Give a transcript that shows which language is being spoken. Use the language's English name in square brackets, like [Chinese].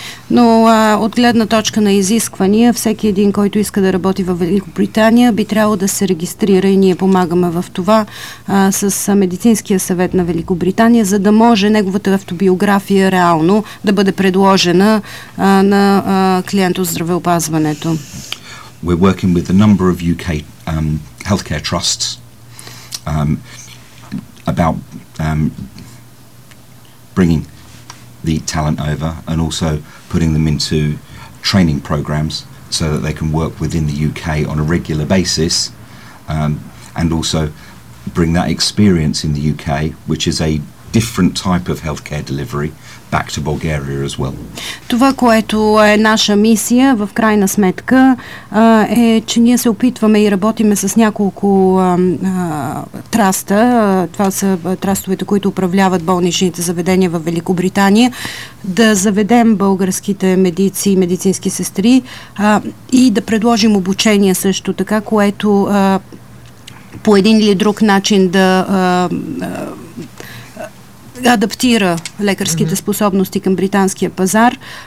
[Bulgarian] Но от гледна точка на изисквания, всеки един, който иска да работи в Великобритания, би трябвало да се регистрира и ние помагаме в това с Медицинския съвет на Великобритания, за да може неговата автобиография реално да бъде предложена на клиента от здравеопазването. [English] We're working with a number of UK healthcare trusts about bringing the talent over and also putting them into training programs so that they can work within the UK on a regular basis, and also bring that experience in the UK, which is a different type of healthcare delivery, back to Bulgaria as well. [Bulgarian] Това, което е наша мисия в крайна сметка, е, че ние се опитваме и работиме с няколко траста. Това са трастовете, които управляват болничните заведения в Великобритания, да заведем българските медици и медицински сестри и да предложим обучение също така, което по един или друг начин да адаптира лекарските способности към британския пазар.